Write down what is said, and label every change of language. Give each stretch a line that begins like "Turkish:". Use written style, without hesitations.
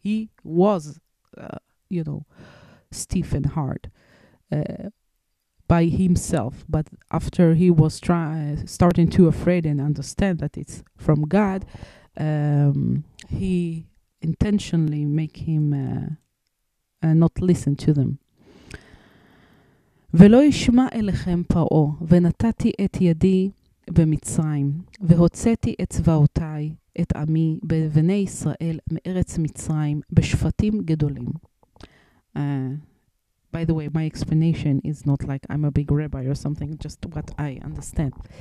English: He was, stiff and hard by himself. But after he was starting to afraid and understand that it's from God, he intentionally make him not listen to them.
Hebrew: ולא ישמע אליכם פרעה, ונתתי את ידי במצרים, והוצאתי את צבאותיי, את עמי, בבני ישראל, מארץ מצרים, בשפטים גדולים.
English: By the way, my explanation is not like I'm a big rabbi or something, just what I understand.